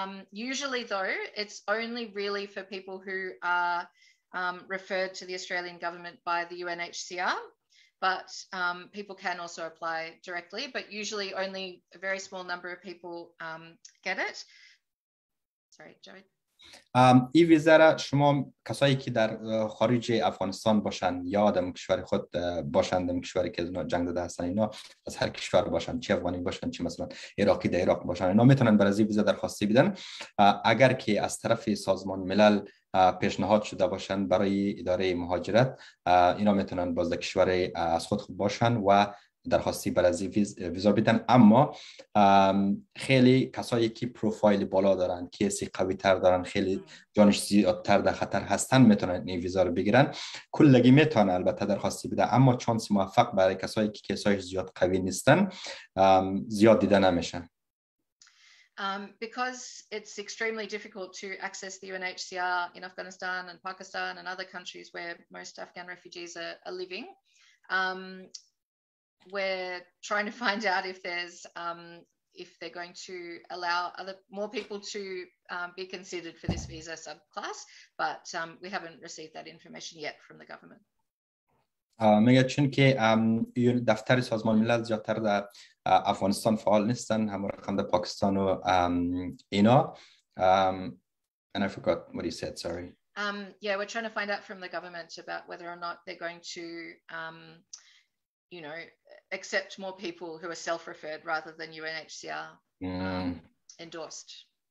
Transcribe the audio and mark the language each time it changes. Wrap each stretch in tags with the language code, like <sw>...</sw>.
<en>Usually though, it's only really for people who are referred to the Australian government by the UNHCR, but people can also apply directly, but usually only a very small number of people get it. Sorry, Joey.</en> <fa>ای ویزه را شما کسایی که در خارج افغانستان باشند یا در کشور خود باشند، در کشوری که جنگ داده هستند، اینا از هر کشور باشند، چه افغانی باشند، چه مثلا عراقی در عراق باشند، اینا میتونن برای ای ویزه درخواستی بدن. اگر که از طرف سازمان ملل پیشنهاد شده باشند برای اداره مهاجرت، اینا میتونن باز در کشور از خود باشند و درخواستی برای ویزا بدن. اما خیلی کسایی که پروفایل بالا دارن، کیسی قوی تر دارن، خیلی جانش زیادتر در خطر هستن، میتونن این ویزا رو بگیرن. کلگی میتونه البته درخواستی بده، اما چانس موفق برای کسایی که کیسایش زیاد قوی نیستن زیاد دیده نمیشن.</fa> <en>Because it's extremely difficult to access the UNHCR in Afghanistan and Pakistan and other countries where most Afghan refugees are living, we're trying to find out if there's if they're going to allow other more people to be considered for this visa subclass, but we haven't received that information yet from the government.</en> <fa>میگه چون که دفتر سازمان ملل زیادتر در افغانستان فعال نیستن، هم رقم در پاکستان و اینا.</fa> <en>And I forgot what you said, sorry. Yeah, we're trying to find out from the government about whether or not they're going to you know, accept more people who are self-referred rather than UNHCR endorsed.</en>